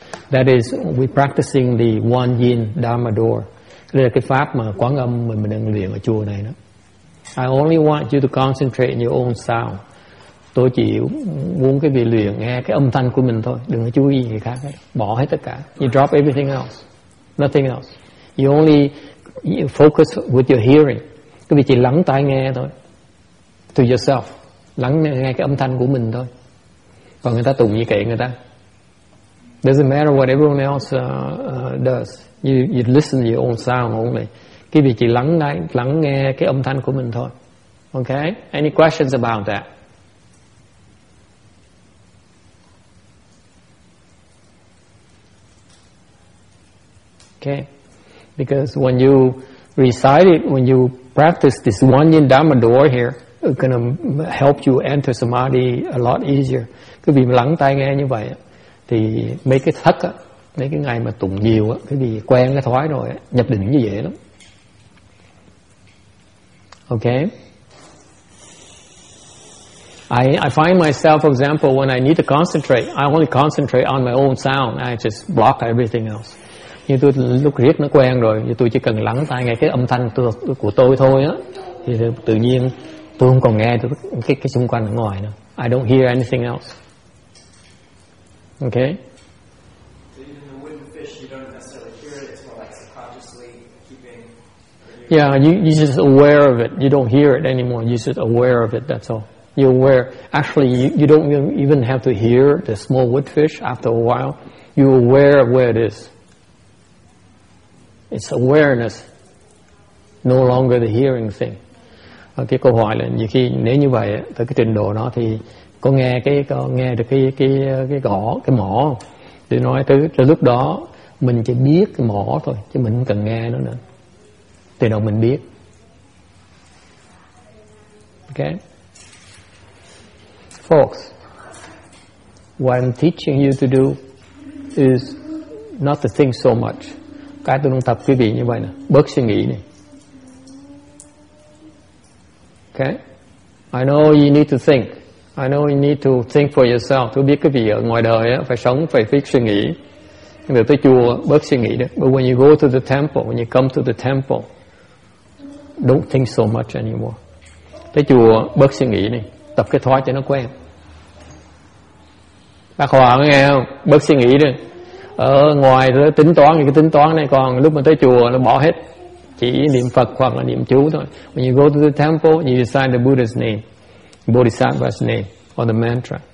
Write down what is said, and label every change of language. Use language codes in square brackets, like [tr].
[en] That is we practicing the one yin dharma door. [vi] Đây là cái pháp mà quán âm mình đang luyện ở chùa này đó. [en] I only want you to concentrate on your own sound. [vi] Tôi chỉ muốn cái việc luyện nghe cái âm thanh của mình thôi, đừng có chú ý gì khác hết, bỏ hết tất cả. [en] You drop everything else, nothing else. You only focus with your hearing. [vi] Cái việc chỉ lắng tai nghe thôi, [en] to yourself, [vi] lắng nghe cái âm thanh của mình thôi. Còn người ta tụng như kệ người ta. [en] Doesn't matter what everyone else does. You listen to your own sound only. [vi] Cái việc chỉ lắng nghe cái âm thanh của mình thôi. [en] Okay? Any questions about that? Okay, because when you recite it, when you practice this one yin dharma door here, it's going to help you enter samadhi a lot easier. [vi] Cứ vì lắng tai nghe như vậy, thì mấy cái thất á, mấy cái ngày mà tụng nhiều á, cứ vì quen cái thói rồi, nhập định như dễ lắm. [en] Okay. I find myself, for example, when I need to concentrate, I only concentrate on my own sound. I just block everything else. [vi] Như tôi lúc riết nó quen rồi, như tôi chỉ cần lắng tai nghe cái âm thanh của tôi thôi á, thì tự nhiên tôi không còn nghe cái xung quanh ở ngoài nữa. [en] I don't hear anything else. Okay. So even the wooden fish, you don't necessarily hear it, it's more like subconsciously keeping. Yeah, you're just aware of it. You don't hear it anymore. You're just aware of it, that's all. You're aware. Actually, you don't even have to hear the small wood fish after a while. You're aware of where it is. It's awareness, no longer the hearing thing. [vi] Cái câu hỏi là nhiều khi nếu như vậy tới cái trình độ đó thì có nghe được cái gõ cái mõ để nói tới lúc đó mình chỉ biết cái mõ thôi chứ mình không cần nghe nó nữa. Từ đầu mình biết. [en] Okay, folks, what I'm teaching you to do is not to think so much. [vi] Cái tôi đang tập quý vị như vậy nè, bớt suy nghĩ này. [en] Okay, I know you need to think. I know you need to think for yourself. [vi] Tôi biết quý vị ở ngoài đời á, phải sống, phải biết suy nghĩ. Nhưng mà tới chùa bớt suy nghĩ đấy. [en] But when you go to the temple, when you come to the temple, don't think so much anymore. [vi] Tới chùa bớt suy nghĩ này, tập cái thói cho nó quen. Bác Hòa có nghe không? Bớt suy nghĩ đi. Ở ngoài tính toán thì cái tính toán này còn lúc mà tới chùa nó bỏ hết, chỉ niệm Phật hoặc là niệm chú thôi. [en] When you go to the temple, you recite the Buddha's name, Bodhisattva's name, or the mantra.